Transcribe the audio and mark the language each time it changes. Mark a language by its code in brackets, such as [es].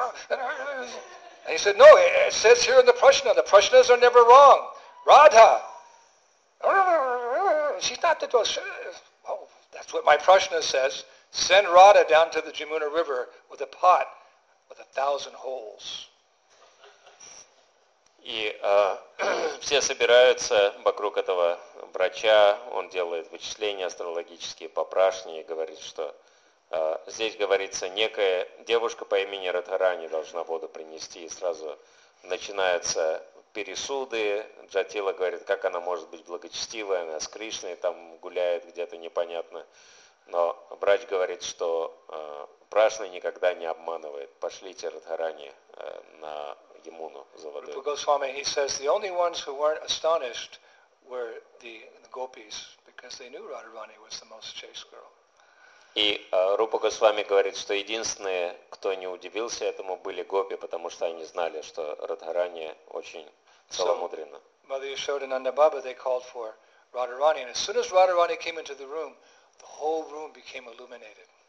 [en] And he said, no, it says here in the prashna, the prashnas are never wrong. Radha. She's not the... Oh, that's what my prashna says. Send Radha down to the Jamuna River with a pot with 1,000 holes. [ru] И все собираются вокруг этого врача, он делает вычисления астрологические по прашне и говорит, что здесь говорится, некая девушка по имени Радхарани должна воду принести, и сразу начинаются пересуды. Джатила говорит, как она может быть благочестивой, она с Кришной там гуляет где-то непонятно. Но врач говорит, что прашна никогда не обманывает, пошлите Радхарани на Ямуну за водой. [en] Rupa Goswami, he says, the only ones who weren't astonished were the gopis, because they knew Radharani was the most chaste girl. [ru] И Рупа Госвами говорит, что единственные, кто не удивился этому, были гопи, потому что они знали, что Радхарани очень целомудрена. [en] So, Mother Yashoda and Nandababa, they called for Radharani, and as soon as Radharani came into the room, the whole room became illuminated.